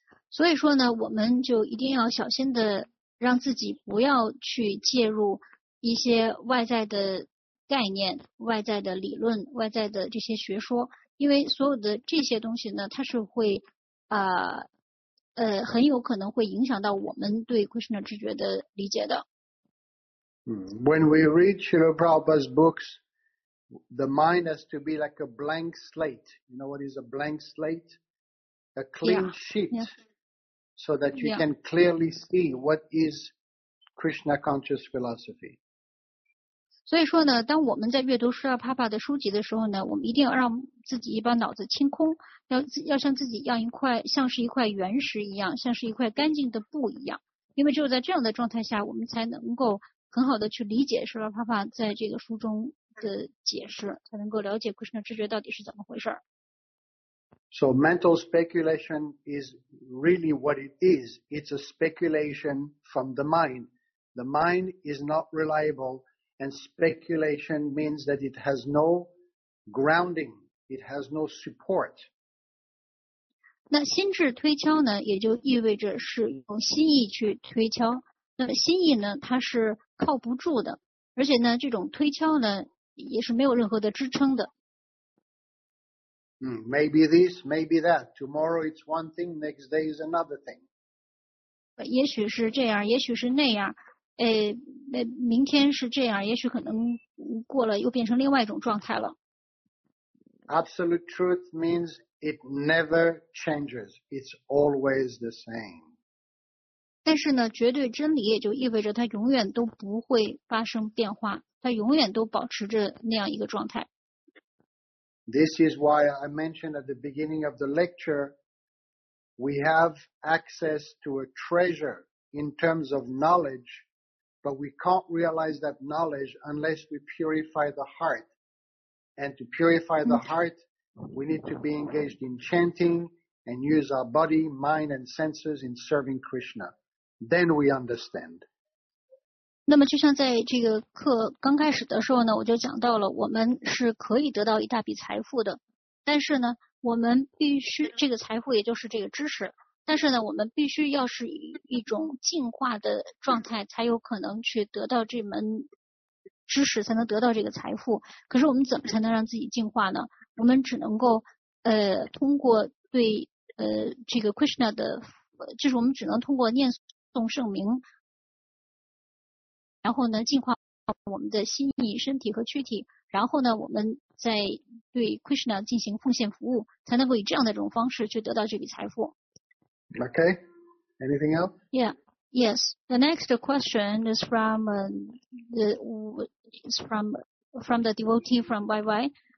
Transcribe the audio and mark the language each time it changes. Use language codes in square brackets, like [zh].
[zh] 所以说呢，我们就一定要小心的让自己不要去介入一些外在的概念、外在的理论、外在的这些学说，因为所有的这些东西呢，它是会很有可能会影响到我们对 Krishna 知觉的理解的。 [en] When we read Srila Prabhupada's books, the mind has to be like a blank slate. You know what is a blank slate? A clean sheet. Yeah. So that you can clearly see what is Krishna conscious philosophy. [zh] 所以说呢，当我们在阅读 Srila Prabhupada 的书籍的时候呢，我们一定要让自己把脑子清空。要像自己要一块像是一块原石一样，像是一块干净的布一样，因为只有在这样的状态下，我们才能够很好的去理解舍勒帕帕在这个书中的解释，才能够了解 Krishna 知觉到底是怎么回事。 [en] So mental speculation is really what it is. It's a speculation from the mind. The mind is not reliable, and speculation means that it has no grounding. It has no support. [zh] 那心智推敲呢，也就意味着是用心意去推敲。那心意呢，它是靠不住的，而且呢，这种推敲呢，也是没有任何的支撑的。 [en] Maybe this, maybe that. Tomorrow it's one thing, next day is another thing. [zh] 也许是这样，也许是那样。明天是这样，也许可能过了又变成另外一种状态了。 [en] Absolute truth means. It never changes. It's always the same. [zh] 但是呢，绝对真理也就意味着它永远都不会发生变化，它永远都保持着那样一个状态。 [en] This is why I mentioned at the beginning of the lecture, we have access to a treasure in terms of knowledge, but we can't realize that knowledge unless we purify the heart. And to purify the heart,We need to be engaged in chanting and use our body, mind, and senses in serving Krishna. Then we understand. [zh] 那么就像在这个课刚开始的时候呢，我就讲到了，我们是可以得到一大笔财富的，但是呢，我们必须这个财富也就是这个知识，但是呢，我们必须要是一种净化的状态，才有可能去得到这门知识，才能得到这个财富。可是我们怎么才能让自己净化呢？我们只能够通过对这个 Krishna 的就是我们只能通过念诵圣名然后呢净化我们的心意身体和躯体然后呢，我们再对 Krishna 进行奉献服务，才能够以这样的一种方式去得到这笔财富。 [en] Okay. Anything else? Yeah. Yes. The next question is from the devotee from YY.